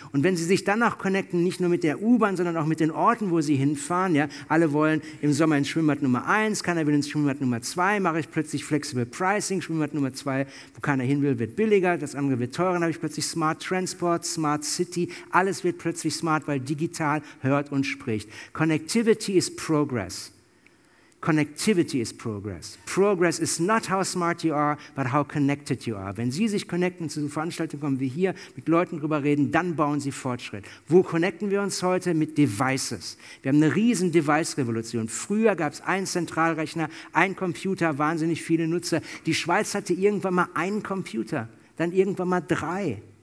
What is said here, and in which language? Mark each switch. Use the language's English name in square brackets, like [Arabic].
[German] Und wenn Sie sich danach connecten, nicht nur mit der U-Bahn, sondern auch mit den Orten, wo Sie hinfahren, ja? Alle wollen im Sommer ins Schwimmbad Nummer 1, keiner will ins Schwimmbad Nummer 2, mache ich plötzlich Flexible Pricing, Schwimmbad Nummer 2, wo keiner hin will, wird billiger, das andere wird teurer, dann habe ich plötzlich Smart Transport, Smart City, alles wird plötzlich smart, weil digital hört und spricht. [English] Connectivity is progress. Connectivity is progress. Progress is not how smart you are, but how connected you are. [German] Wenn Sie sich connecten zu Veranstaltungen kommen wie hier, mit Leuten drüber reden, dann bauen Sie Fortschritt. Wo connecten wir uns heute? Mit Devices. Wir haben eine riesen Device-Revolution. Früher gab es einen Zentralrechner, einen Computer, wahnsinnig viele Nutzer. Die Schweiz hatte irgendwann mal einen Computer, dann irgendwann mal 3.